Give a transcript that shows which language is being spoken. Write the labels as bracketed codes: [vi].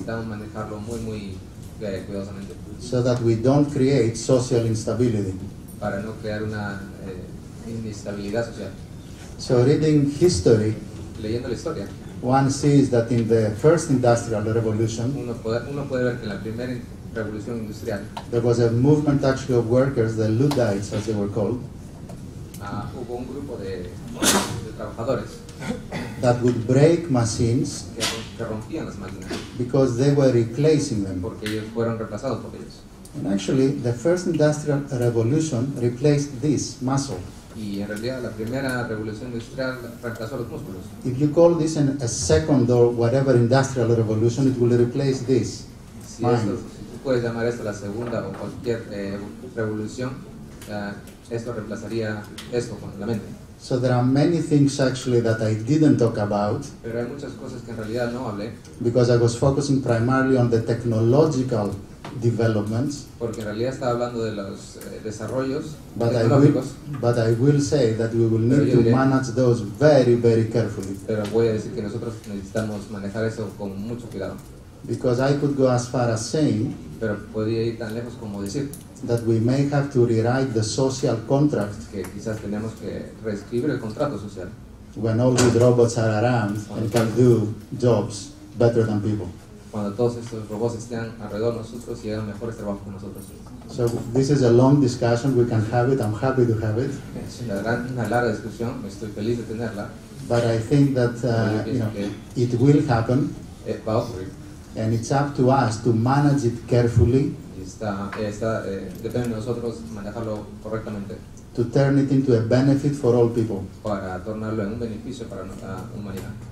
[es] necesitamos manejarlo muy, muy cuidadosamente, [en] so that we don't create social instability, [es] para no crear una inestabilidad social. [en] So reading history, [es] leyendo la historia, [en] one sees that in the first industrial revolution, [es] uno puede ver que en la primera revolución industrial, [en] there was a movement actually of workers, the Luddites as they were called, [es] hubo un grupo de trabajadores, [en] that would break machines, [es] que rompían las máquinas, [en] because they were replacing them. [es] Porque ellos fueron reemplazados por ellos. [en] And actually, the first industrial revolution replaced this muscle. [es] Y en realidad la primera revolución industrial reemplazó los músculos. [en] If you call this a second or whatever industrial revolution, it will replace this. [es] Si tú puedes llamar esto la segunda o cualquier revolución, esto reemplazaría esto con la mente. [en] So there are many things actually that I didn't talk about. [es] Pero hay muchas cosas que en realidad no hablé. [en] Because I was focusing primarily on the technological developments, [es] porque en realidad estaba hablando de los desarrollos tecnológicos. [en] But I will say that we will need to manage those very, very carefully. [es] Pero voy a decir que nosotros necesitamos manejar eso con mucho cuidado. [en] Because I could go as far as saying, [es] pero podría ir tan lejos como decir, [en] that we may have to rewrite the social contract, [es] que quizás tenemos que reescribir el contrato social, [en] when all these robots are around and can do jobs better than people. [es] Cuando todos estos robots estén alrededor de nosotros y hagan mejores trabajos que nosotros. [en] So this is a long discussion, we can have it, I'm happy to have it. [es] Es una larga discusión, estoy feliz de tenerla. [en] But I think that it will happen. [es] It va a ocurrir. [en] And it's up to us to manage it carefully. [es] Depende de nosotros manejarlo correctamente. [en] To turn it into a benefit for all people. [es] Para tornarlo en un beneficio para la humanidad.